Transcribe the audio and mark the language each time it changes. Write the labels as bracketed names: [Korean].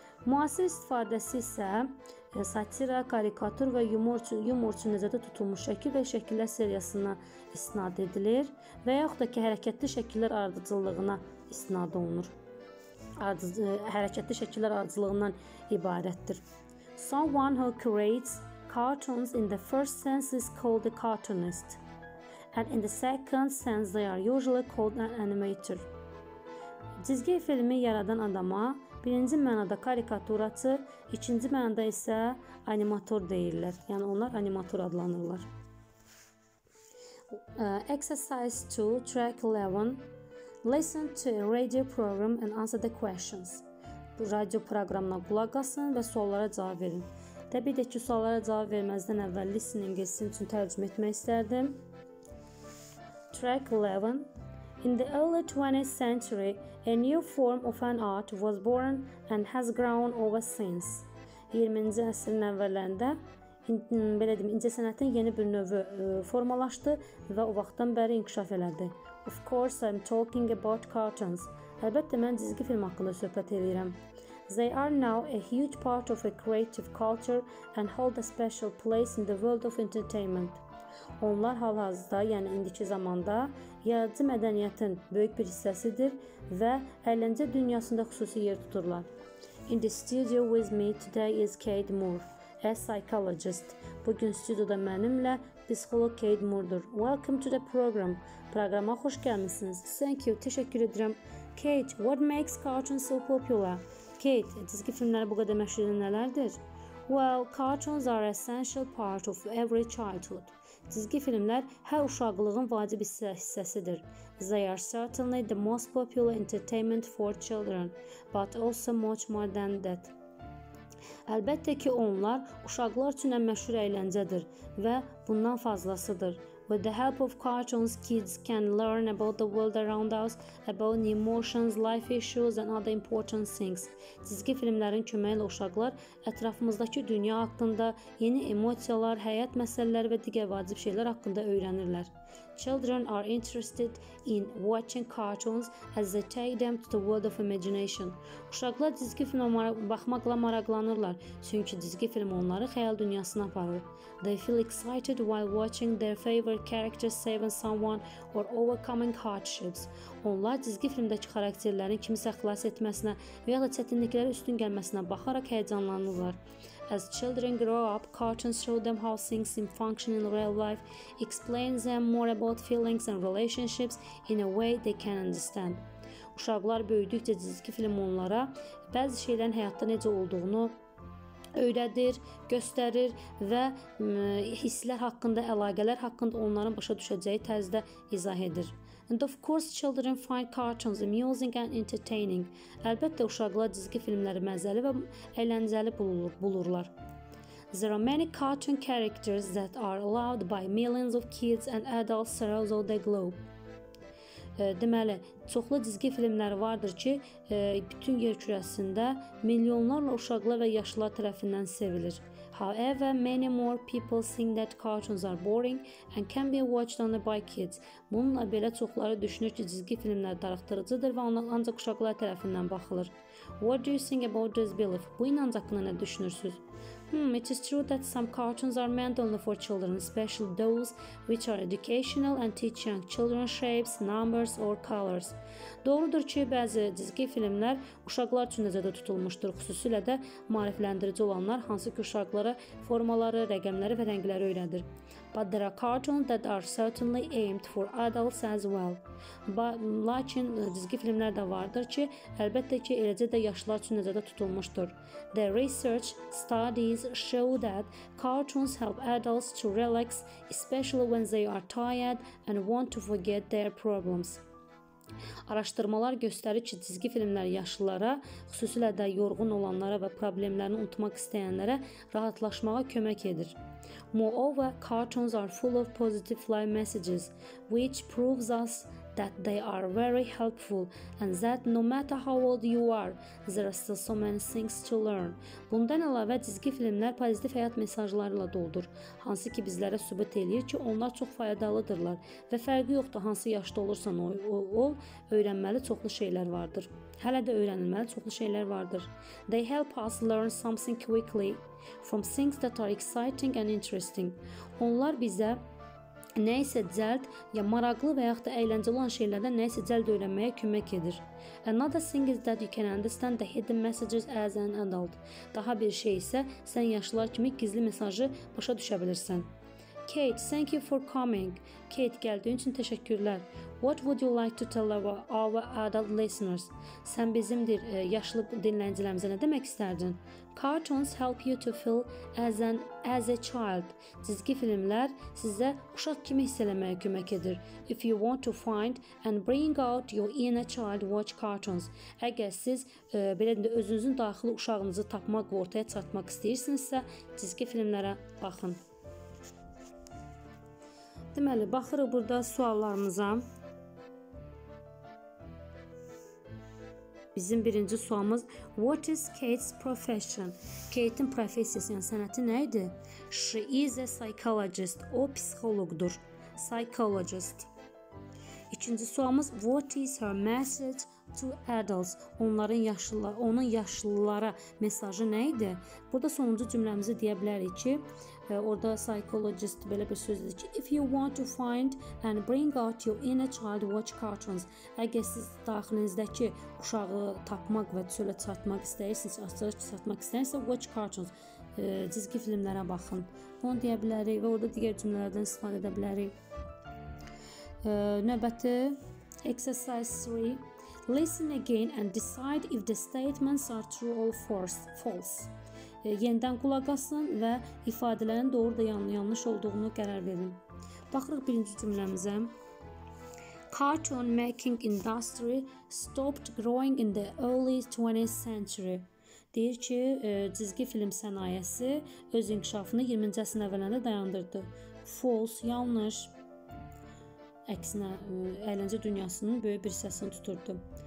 [Azerbaijani] Müasir istifadəsi isə satira, karikatur və yumor üçün nəzərdə tutulmuş şəkil və şəkillər seriyasına istinad edilir və yaxud da ki, hərəkətli şəkillər ardıcıllığına istinad olunur. Hərəkətli şəkillər ardıcıllığından ibarətdir. [English] Someone who creates cartoons in the first sense is called a cartoonist and in the second sense they are usually called an animator. [Azerbaijani] Çizgi filmi yaradan adama birinci mənada karikaturatı, ikinci mənada isə animator deyirlər. Yəni, onlar animator adlanırlar. [English] Exercise 2, track 11. Listen to a radio program and answer the questions. [Azerbaijani] Radio proqramına qulaq asın və suallara cavab verin. Təbii ki, suallara cavab verməzdən əvvəl listening isim üçün tərcüm etmək istərdim. [English] Track 11. In the early 20th century, a new form of an art was born and has grown over since. [Azerbaijani] 20-ci əsrin əvvəllərində belə deyim, incəsənətin yeni bir növü formalaşdı və o vaxtdan bəri inkişaf elədi. [English] Of course, I'm talking about cartoons. [Azerbaijani] Əlbəttə mən çizgi film haqqında söhbət edirəm. [English] They are now a huge part of a creative culture and hold a special place in the world of entertainment. [Azerbaijani] Onlar hal-hazırda, yəni indiki zamanda, yaradıcı mədəniyyətin böyük bir hissəsidir və əyləncə dünyasında xüsusi yer tuturlar. [English] In the studio with me today is Kate Moore, a psychologist. [Azerbaijani] Bugün stüdyoda mənimlə psixolog Kate Moore-dur. [English] Welcome to the program. [Azerbaijani] Proqrama xoş gəlmişsiniz. [English] Thank you, [Azerbaijani] təşəkkür edirəm. [English] Kate, what makes cartoons so popular? [Azerbaijani] Kate, çizgi filmləri bu qədər məşhur nələrdir? [English] Well, cartoons are an essential part of every childhood. [Azerbaijani] Çizgi filmlər hər uşaqlığın vacib hissəsidir. [English] They are certainly the most popular entertainment for children, but also much more than that. [Azerbaijani] Əlbəttə ki, onlar uşaqlar üçün ən məşhur əyləncədir və bundan fazlasıdır. [English] With the help of cartoons, kids can learn about the world around us, about emotions, life issues and other important things. [Azerbaijani] Çizgi filmlərin köməklə uşaqlar ətrafımızdakı dünya haqqında yeni emosiyalar, həyat məsələləri və digər vacib şeylər haqqında öyrənirlər. [English] Children are interested in watching cartoons as they take them to the world of imagination. [Azerbaijani] Uşaqlar çizgi filmə baxmaqla maraqlanırlar, çünki çizgi film onları xəyal dünyasına aparır. [English] They feel excited while watching their favorite characters saving someone or overcoming hardships. [Azerbaijani] Onlar çizgi filmdəki xarakterlərin kimisə xilas etməsinə və ya da çətinliklərə üstün gəlməsinə baxaraq həyəcanlanırlar. [English] As children grow up, cartoons show them how things function in real life, explain them more about feelings and relationships in a way they can understand. [Azerbaijani] Uşaqlar böyüdükcə çizgi film onlara bəzi şeylərin həyatda necə olduğunu öyrədir, göstərir və hisslər haqqında, əlaqələr haqqında onların başa düşəcəyi tərzdə izah edir. [English] And of course, children find cartoons amusing and entertaining. [Azerbaijani] Əlbəttə, uşaqlar cizgi filmləri məzəli və əyləncəli bulurlar. [English] There are many cartoon characters that are loved by millions of kids and adults around the globe. [Azerbaijani] Deməli, çoxlu cizgi filmləri vardır ki, bütün yer kürəsində milyonlarla uşaqlar və yaşlılar tərəfindən sevilir. [English] However, many more people think that cartoons are boring and can be watched only by kids. [Azerbaijani] Bununla belə çoxları düşünür ki, cizgi filmlər darıxdırıcıdır və ona ancaq uşaqlar tərəfindən baxılır. [English] What do you think about this belief? [Azerbaijani] Bu inanc haqqında nə düşünürsüz? [English] It is true that some cartoons are meant only for children, especially those which are educational and teach young children shapes, numbers or colors. [Azerbaijani] Doğrudur ki, bəzi cizgi filmlər uşaqlar üçün nəzərdə tutulmuşdur, xüsusilə də maarifləndirici olanlar, hansı ki uşaqlara formaları, rəqəmləri və rəngləri öyrədir. [English] But there are cartoons that are certainly aimed for adults as well. [Azerbaijani] Lakin cizgi filmlər də vardır ki, əlbəttə ki, eləcə də yaşlılar üçün nəzərdə tutulmuşdur. [English] The research studies show that cartoons help adults to relax, especially when they are tired and want to forget their problems. [Azerbaijani] Araşdırmalar göstərir ki, cizgi filmlər yaşlılara, xüsusilə də yorğun olanlara və problemlərini unutmaq istəyənlərə rahatlaşmağa kömək edir. [English] Moreover, cartoons are full of positive life messages, which proves us that they are very helpful and that no matter how old you are, there are still so many things to learn. [Azerbaijani] Bundan əlavə, cizgi filmlər pozitiv həyat mesajlarıyla doldur, hansı ki bizlərə sübut eləyir ki, onlar çox faydalıdırlar və fərqi yoxdur, hansı yaşda olursan ol, öyrənməli çoxlu şeylər vardır. Hələ də öyrənilməli çoxlu şeylər vardır. [English] They help us learn something quickly from things that are exciting and interesting. [Azerbaijani] Onlar bizə nə isə cəld, ya maraqlı və yaxud da əyləncəli olan şeylərdən nə isə cəld öyrənməyə kömək edir. [English] Another thing is that you can understand the hidden messages as an adult. [Azerbaijani] Daha bir şey isə sən yaşlılar kimi gizli mesajı başa düşə bilirsən. [English] Kate, thank you for coming. [Azerbaijani] Kate, gəldiyin üçün təşəkkürlər. [English] What would you like to tell our adult listeners? [Azerbaijani] Sən bizimdir, yaşlı dinləyicilərimizə nə demək istərdin? [English] Cartoons help you to feel as a child. [Azerbaijani] Cizgi filmlər sizə uşaq kimi hiss eləməyə kömək edir. [English] If you want to find and bring out your inner child, watch cartoons. [Azerbaijani] Əgər siz belə də özünüzün daxili uşağınızı tapmaq, ortaya çatmaq istəyirsinizsə, cizgi filmlərə baxın. Deməli, baxırıq burada suallarımıza. Bizim birinci sualımız, [English] What is Kate's profession? [Azerbaijani] Kate'in professiyası, yəni sənəti nə idi? [English] She is a psychologist. [Azerbaijani] O, psixoloqdur. [English] Psychologist. [Azerbaijani] İkinci sualımız, [English] What is her message to adults? [Azerbaijani] Onun yaşlılara mesajı nə idi? Burada sonuncu cümləmizi deyə bilərik ki, orada psychologist belə bir sözdür ki, [English] If you want to find and bring out your inner child, watch cartoons. [Azerbaijani] Əgər siz daxilinizdəki uşağı tapmaq və çölə çatmaq istəyirsiniz, açıq çatmaq istəyirsiniz, [English] watch cartoons. [Azerbaijani] Cizgi filmlərə baxın. Onu deyə bilərik və orada digər cümlələrdən istifadə edə bilərik. Növbəti, [English] exercise 3. Listen again and decide if the statements are true or false. [Azerbaijani] Yenidən qulaq asın və ifadələrin doğru da yanlış olduğunu qərar verin. Baxırıq birinci cümləmizə. [English] Cartoon making industry stopped growing in the early 20th century. [Azerbaijani] Deyir ki, cizgi film sənayesi öz inkişafını 20-ci əsrin əvvəlində dayandırdı. False, yanlış. Əksinə, əyləncə dünyasının böyük bir hissəsini tuturdu.